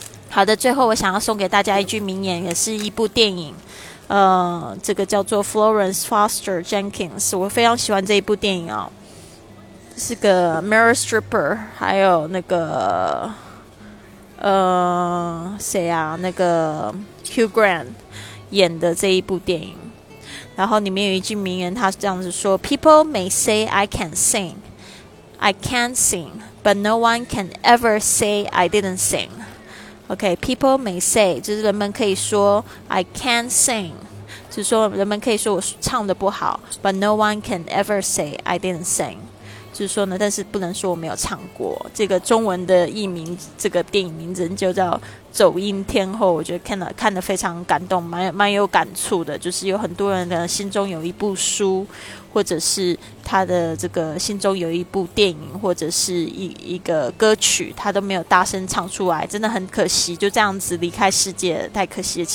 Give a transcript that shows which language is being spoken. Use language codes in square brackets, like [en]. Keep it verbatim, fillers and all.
[zh] 好的，最后我想要送给大家一句名言，也是一部电影，呃，这个叫做 Florence Foster Jenkins， 我非常喜欢这一部电影哦，是个 Meryl Streep， 还有那个呃谁啊，那个 Hugh Grant 演的这一部电影。然后里面有一句名言，他是这样子说 ： [en] People may say I can sing, I can sing, but no one can ever say I didn't sing。 OK, people may say [zh] 就是人们可以说 [en] I can't sing， [zh] 就是说人们可以说我唱的不好， [en] but no one can ever say I didn't sing， [zh] 就是说呢但是不能说我没有唱过。这个中文的译名，这个电影名字就叫走音天后，我觉得看了看得非常感动，蛮蛮有感触的，就是有很多人的心中有一部书，或者是他的这个心中有一部电影，或者是一一个歌曲，他都没有大声唱出来，真的很可惜，就这样子离开世界，太可惜了。